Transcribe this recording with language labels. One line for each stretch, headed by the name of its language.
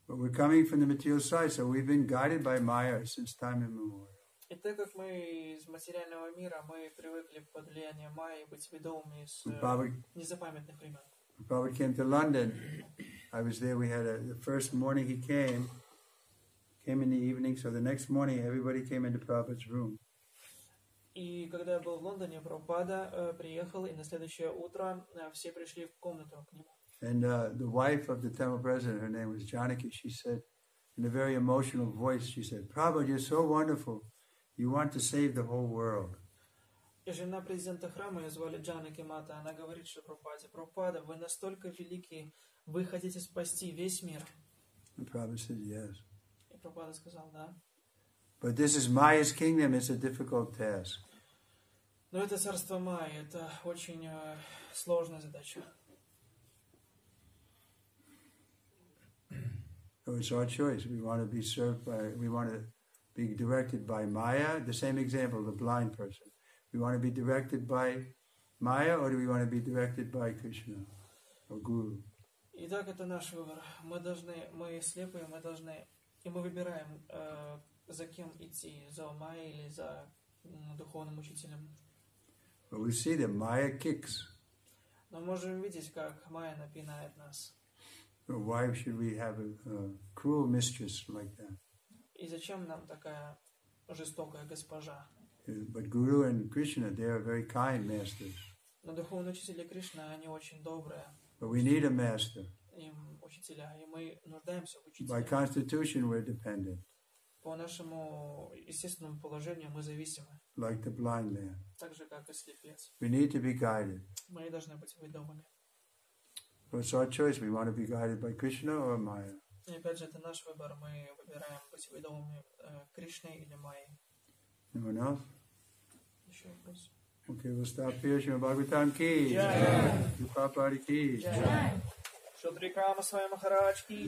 English: But we're coming from the material side, so we've been guided by Maya since time immemorial.
Russian: И так как мы из материального мира, мы привыкли под влиянием Майи быть ведомыми с незапамятных времен.
English: When Prabhupada came to London, I was there, we had the first morning he came in the evening, so the next morning everybody came into Prabhupada's room.
Russian: И когда я был в Лондоне, Прабхупада приехал, и на следующее утро все пришли в комнату к нему.
English: And the wife of the temple president, her name was Janaki, she said, in a very emotional voice, she said, Prabhupada, you're so wonderful, you want to save the whole world.
Russian: И жена президента храма, ее звали Джанаки Мата, она говорит, что Прабхупада, вы настолько великий, вы хотите спасти весь мир.
English: And Prabhupada said, yes.
Russian: И Прабхупада сказал, да.
English: But this is Maya's kingdom. It's a difficult task.
Russian: Но это царство Майи. Это очень сложная задача.
English: So it's our choice. We want to be served by. We want to be directed by Maya. The same example, the blind person. We want to be directed by Maya, or do we want to be directed by Krishna or Guru?
Russian: Итак, это наш выбор. Мы должны. Мы слепые. Мы должны. И мы выбираем. За кем идти, за Майей или за духовным учителем?
English: But we see that Maya kicks.
Russian: Но мы можем видеть, как Майя напинает нас.
English: But why should we have a cruel mistress like that?
Russian: И зачем нам такая жестокая госпожа?
English: But Guru and Krishna, they are very kind masters.
Russian: Но духовные учителя Кришна, они очень добрые.
English: But we need a master.
Russian: Им учителя, и мы нуждаемся в учителе.
English: By constitution, we're dependent.
Russian: По нашему естественному положению мы зависимы.
English: Like the blind man.
Russian: Так же, как и слепец.
English: We need to be guided.
Russian: Мы должны быть ведомыми.
English: But it's our choice. We want to be guided by Krishna or Maya.
Russian: И опять же, это наш выбор. Мы выбираем быть ведомыми Кришной или Майей.
English: Anyone else?
Russian: Еще вопрос.
English: Okay, we'll stop here. Shrimad Bhagavatam ki.
Hindi: Jai. Shri Prabhupada ki. Jai. Шудрикама Свами Махарадж ки.